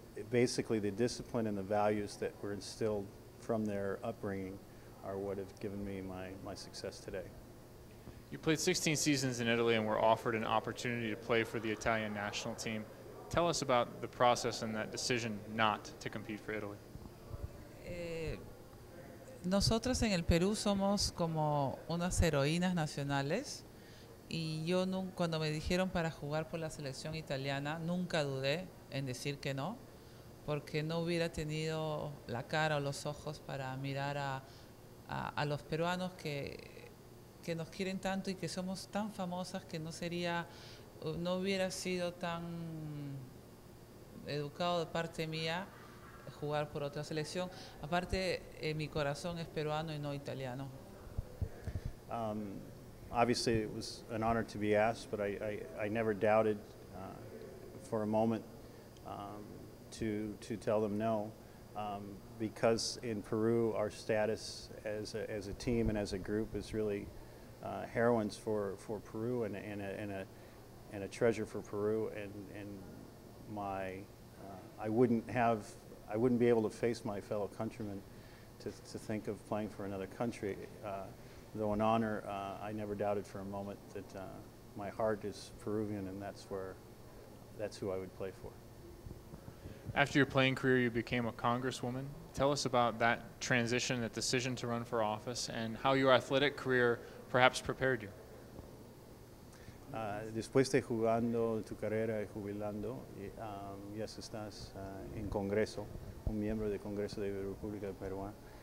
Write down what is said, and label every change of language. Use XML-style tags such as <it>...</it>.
<en>Basically, the discipline and the values that were instilled from their upbringing are what have given me my success today. You played 16 seasons in Italy and were offered an opportunity to play for the Italian national team. Tell us about the process and that decision not to compete for Italy.</en> <es>Nosotros en el Perú somos como unas heroínas nacionales, y yo cuando me dijeron para jugar por la selección italiana nunca dudé en decir que no, porque no hubiera tenido la cara o los ojos para mirar a los peruanos que nos quieren tanto y que somos tan famosas que no hubiera sido tan educado de parte mía jugar por otra selección. Aparte, mi corazón es peruano y no italiano.</es> <en>Obviously, it was an honor to be asked, but I never doubted for a moment to tell them no, because in Peru our status as a team and as a group is really heroines for Peru and a treasure for Peru, I wouldn't be able to face my fellow countrymen to think of playing for another country. Though an honor, I never doubted for a moment that my heart is Peruvian, and that's who I would play for. After your playing career, you became a congresswoman. Tell us about that transition, that decision to run for office, and how your athletic career perhaps prepared you.</en> <es>Después de jugando tu carrera y jubilando, ya estás en Congreso, un miembro del Congreso de la República Peruana.</es>